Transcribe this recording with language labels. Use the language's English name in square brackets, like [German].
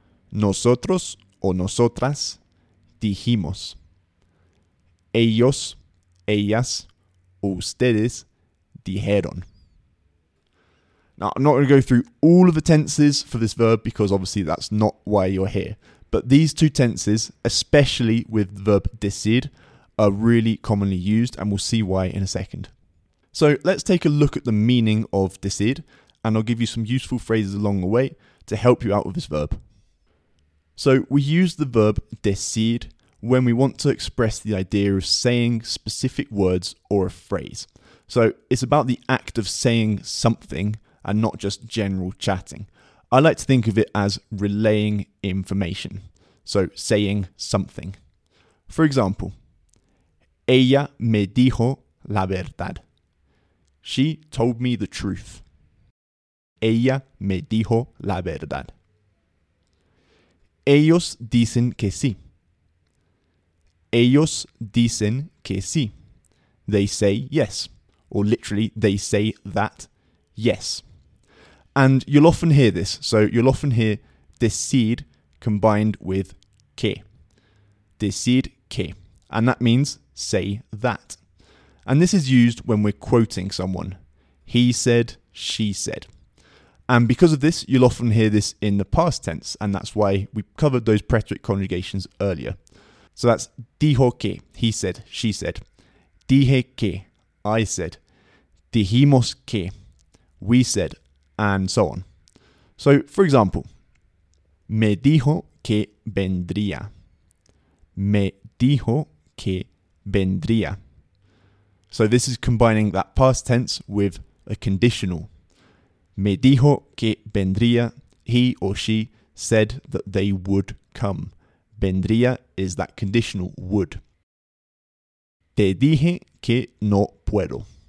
[Spanish] Nosotros o nosotras dijimos. Ellos, ellas, ustedes, dijeron. [English] Now, I'm not going to go through all of the tenses for this verb because obviously that's not why you're here. But these two tenses, especially with the verb decir, are really commonly used and we'll see why in a second. So let's take a look at the meaning of decir and I'll give you some useful phrases along the way to help you out with this verb. So we use the verb decir when we want to express the idea of saying specific words or a phrase. So it's about the act of saying something and not just general chatting. I like to think of it as relaying information, so saying something. For example, [Spanish] ella me dijo la verdad. [English] She told me the truth. [Spanish] Ella me dijo la verdad. Ellos dicen que sí. Ellos dicen que sí. [English] They say yes. Or literally, they say that yes. And you'll often hear this. So you'll often hear decir combined with que. Decir que. And that means say that. And this is used when we're quoting someone. He said, she said. And because of this, you'll often hear this in the past tense. And that's why we covered those preterite conjugations earlier. So that's [Spanish] dijo que, [English] he said, she said. [Spanish] Dije que, [English] I said. [Spanish] Dijimos que, [English] we said, and so on. So, for example, [Spanish] me dijo que vendría. Me dijo que vendría. [English] So this is combining that past tense with a conditional. [Spanish] Me dijo que vendría. [English] He or she said that they would come. [Spanish] Vendría [English] is that conditional would. [Spanish] Te dije que no puedo.